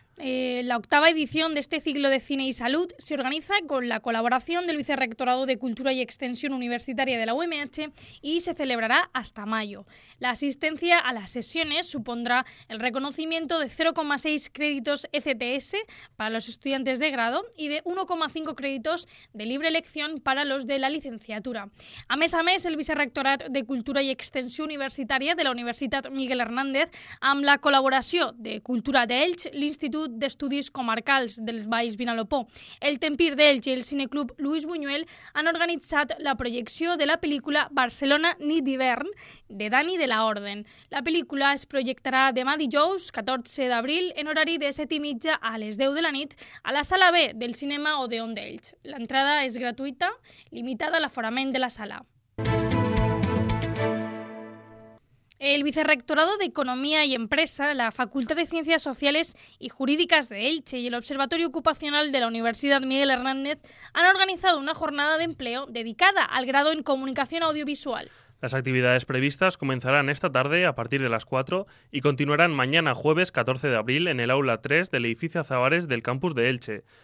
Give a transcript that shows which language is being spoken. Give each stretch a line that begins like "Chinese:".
Spanish: La octava edición de este ciclo de cine y salud se organiza con la colaboración del Vicerrectorado de Cultura y Extensión Universitaria de la UMH y se celebrará hasta mayo. La asistencia a las sesiones supondrá el reconocimiento de 0,6 créditos ECTS para los estudiantes de grado y de 1,5 créditos de libre elección para los de la licenciatura.
Catalan: Mes a mes, el Vicerrectorado de Cultura y Extensión Universitaria de la Universitat Miguel Hernández, amb la col·laboració de Cultura d'Elx, l'Institut d'Estudis Comarcals del Baix Vinalopó, el Tempir d'Elx i el Cineclub Luis Buñuel han organitzat la projecció de la pel·lícula Barcelona Nit d'Hivern de Dani de la Orden. La pel·lícula es projectarà demà dijous, 14 d'abril, en horari de 7:30 a les 10 de la nit, a la sala B del cinema Odeon d'Elx. L'entrada és gratuïta, limitada a l'aforament de la sala.
Spanish: El Vicerrectorado de Economía y Empresa, la Facultad de Ciencias Sociales y Jurídicas de Elche y el Observatorio Ocupacional de la Universidad Miguel Hernández han organizado una jornada de empleo dedicada al grado en Comunicación Audiovisual. Las actividades previstas comenzarán esta tarde a partir de las 4 y continuarán mañana jueves 14 de abril en el Aula 3 del edificio Azabares del campus de Elche.